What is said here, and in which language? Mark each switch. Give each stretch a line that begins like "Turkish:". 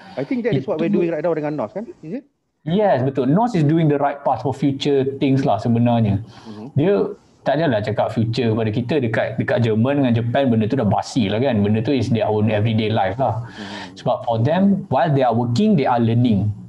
English: I think that is what we're doing right now
Malay: dengan NOS kan?
English: Yes,
Malay: betul.
English: NOS is doing the right path for future things
Malay: lah sebenarnya. Dia tak adalah cakap future pada kita dekat dekat Jerman dengan Japan, benda tu dah basi lah kan. Benda tu
English: is their own everyday life lah.
Malay: Sebab
English: for them, while they are working, they are learning.